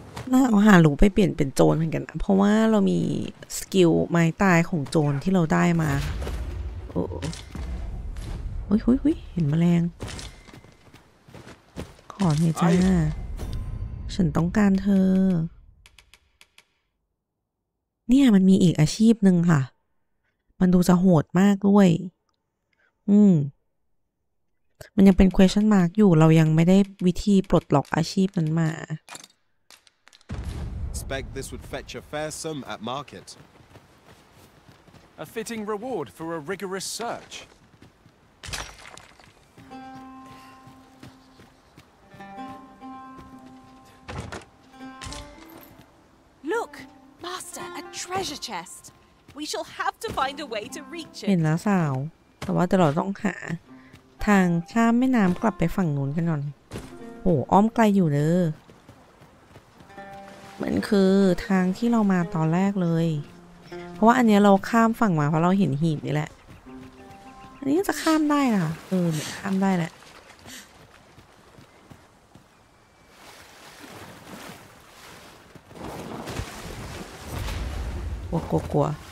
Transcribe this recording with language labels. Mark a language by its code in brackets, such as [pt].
[th] เราหาหลูไปเปลี่ยนเป็นโจรเหมือนกันนะเพราะว่าเรามีสกิลไม้ตายของโจรที่เราได้มาโอ้โหเฮ้ยเห็นแมลงขอเฮจ้าฉันต้องการเธอเนี่ยมันมีอีกอาชีพนึงค่ะมันดูจะโหดมากด้วยมันยังเป็น [en] question mark [th] อยู่เรายังไม่ได้วิธีปลดล็อกอาชีพนั้นมา [en] expect this would fetch a fair sum at market. A fitting reward for a rigorous search. Look, master, a treasure chest. We shall have to find a way to reach it. [th] เห็นแล้วสาวแต่ว่าเราต้องหาทางข้ามแม่น้ำกลับไปฝั่งนู้นกันหน่อยโหอ้อมไกลอยู่เลยมันคือทางที่เรามาตอนแรกเลยเพราะว่าอันนี้เราข้ามฝั่งมาเพราะเราเห็นหีบนี่แหละอันนี้จะข้ามได้ล่ะข้ามได้แหละกลัว